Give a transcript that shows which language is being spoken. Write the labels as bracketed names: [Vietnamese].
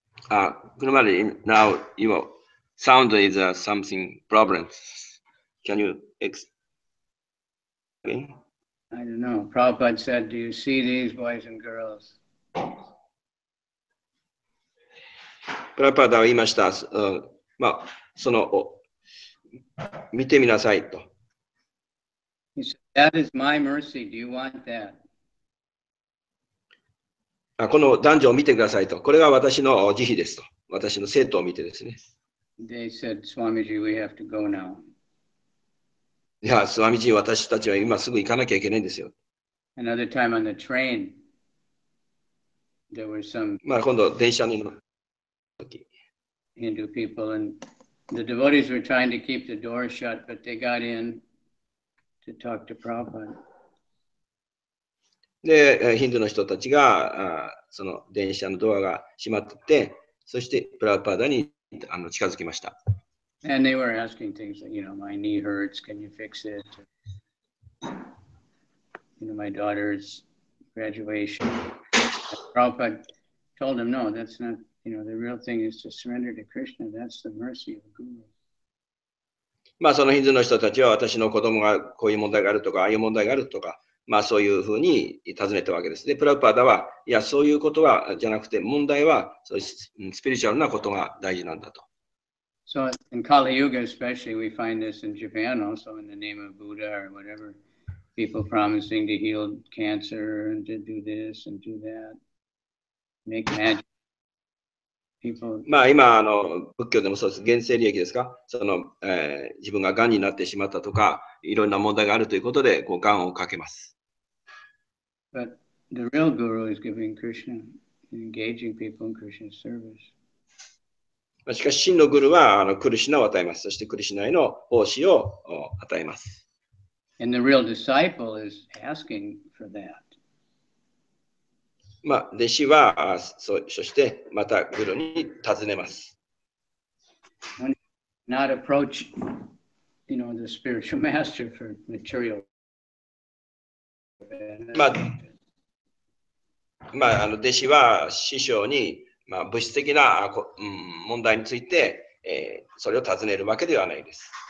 [English] Kunamari, now your sound is something problem. Can you explain? I don't know. Prabhupada said, Do you see these boys and girls? [Japanese] Prabhupada は言いました。まあ、その、見てみなさいと。 [English] He said, That is my mercy. Do you want that? [Japanese] この男女を見てくださいと。これが私の慈悲ですと。私の生徒を見てですね。 [English] They said, Swamiji, we have to go now. [Japanese] いや、スワミジー、私たちは今すぐ行かなきゃいけないんですよ。 [English] Another time on the train, there were some [Japanese] まあ今度電車に乗った時、 [English] Hindu people and the devotees were trying to keep the door shut, but they got in to talk to Prabhupada. [Japanese] で、ヒンドゥーの人たちが、その電車のドアが閉まってて、そしてプラパーダに近づきました。 [English] And they were asking things like, you know, my knee hurts, can you fix it? You know, my daughter's graduation. Prabhupada told them, no, that's not, you know, the real thing is to surrender to Krishna. That's the mercy of a guru. [Japanese] まあ、そのヒンズの人たちは私の子供がこういう問題があるとか、ああいう問題があるとか、まあそういうふうに尋ねたわけです。で、プラパーダは、いや、そういうことはじゃなくて、問題はそういうスピリチュアルなことが大事なんだと。 [English] So in Kali Yuga especially, we find this in Japan also in the name of Buddha or whatever, people promising to heal cancer and to do this and do that, make magic. People. [Japanese] まあ今仏教でもそうです。現世利益ですか。その、自分が癌になってしまったとか、いろんな問題があるということで、こう癌をかけます。 [English] But the real guru is giving Krishna, engaging people in Krishna's service. [Japanese] しかし真のグルはクリシナを与えます。そしてクリシナへの奉仕を与えます。 [English] And the real disciple is asking for that. [Japanese] まあ、弟子は そしてまたグルに尋ねます。 [English] When you not approach, you know, the spiritual master for material. [Japanese] まあ、弟子は師匠にまあ、物質的な、問題について、それを尋ねるわけではないです。